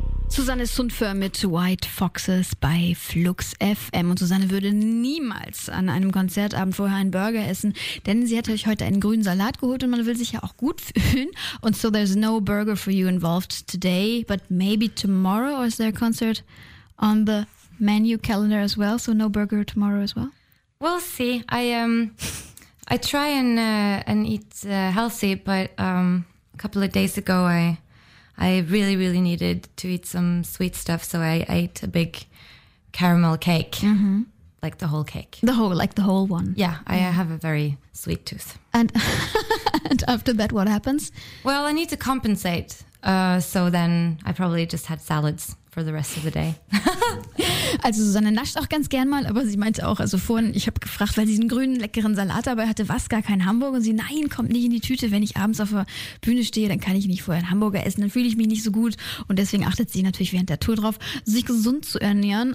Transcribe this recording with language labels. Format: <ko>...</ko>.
<de>Susanne Sundfür mit White Foxes bei Flux FM. Und Susanne würde niemals an einem Konzertabend vorher einen Burger essen, denn sie hat euch heute einen grünen Salat geholt und man will sich ja auch gut fühlen. Und</de> <en>so there's no burger for you involved today, but maybe tomorrow, or is there a concert on the menu calendar as well, so no burger tomorrow as well? We'll see. I try and eat healthy, but a couple of days ago I really, really needed to eat some sweet stuff, so I ate a big caramel cake, mm-hmm. like the whole cake. The whole one. Yeah, I have a very sweet tooth. And and after that, what happens? Well, I need to compensate, so then I probably just had salads for the rest of the day.</en> <de>Also Susanne nascht auch ganz gern mal, aber sie meinte auch, also vorhin, ich habe gefragt, weil sie diesen grünen, leckeren Salat dabei hatte, was, gar kein Hamburger? Und sie, nein, kommt nicht in die Tüte, wenn ich abends auf der Bühne stehe, dann kann ich nicht vorher einen Hamburger essen, dann fühle ich mich nicht so gut. Und deswegen achtet sie natürlich während der Tour drauf, sich gesund zu ernähren.</de>